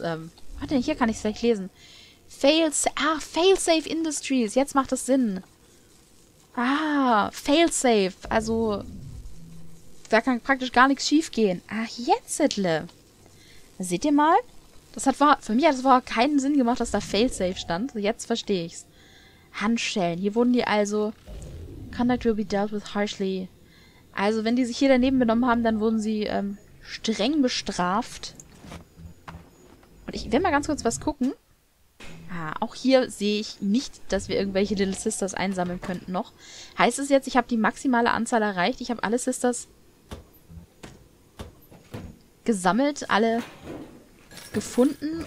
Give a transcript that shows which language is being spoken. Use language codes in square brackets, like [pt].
[de] warte, hier kann ich es gleich lesen. Failsafe Industries. Jetzt macht das Sinn. Ah, Failsafe. Also, da kann praktisch gar nichts schief gehen. Ach, jetztle. Seht ihr mal? Für mich hat es keinen Sinn gemacht, dass da Failsafe stand. Jetzt verstehe ich's. Handschellen. Hier wurden die also... [en] Conduct will be dealt with harshly... [de] Also, wenn die sich hier daneben benommen haben, dann wurden sie streng bestraft. Und ich will mal ganz kurz was gucken. Ah, auch hier sehe ich nicht, dass wir irgendwelche Little Sisters einsammeln könnten noch. Heißt es jetzt, ich habe die maximale Anzahl erreicht? Ich habe alle Sisters gesammelt, alle gefunden.